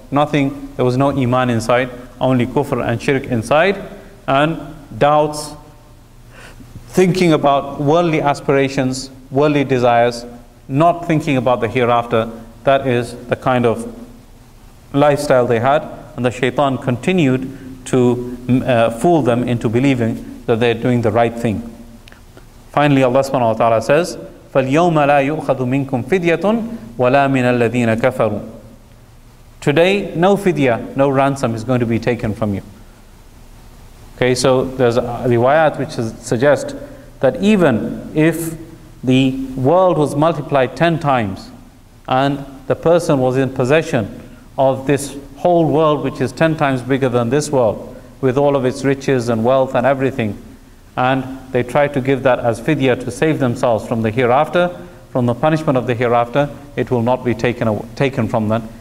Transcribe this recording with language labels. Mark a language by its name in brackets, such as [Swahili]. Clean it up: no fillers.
[English] Nothing, there was no iman inside, only kufr and shirk inside, and doubts, thinking about worldly aspirations, worldly desires, not thinking about the hereafter. That is the kind of lifestyle they had, and the shaitan continued to fool them into believing that they're doing the right thing. Finally, Allah subhanahu wa ta'ala says, [Arabic] فَالْيَوْمَ لَا يُؤْخَذُ مِنْكُمْ فِدْيَةٌ وَلَا مِنَ الَّذِينَ كَفَرُوا. [English] Today, no fidya, no ransom is going to be taken from you. Okay, so there's a riwayat which suggests that even if the world was multiplied 10 times and the person was in possession of this whole world which is 10 times bigger than this world with all of its riches and wealth and everything, and they tried to give that as fidya to save themselves from the hereafter, from the punishment of the hereafter, it will not be taken from them.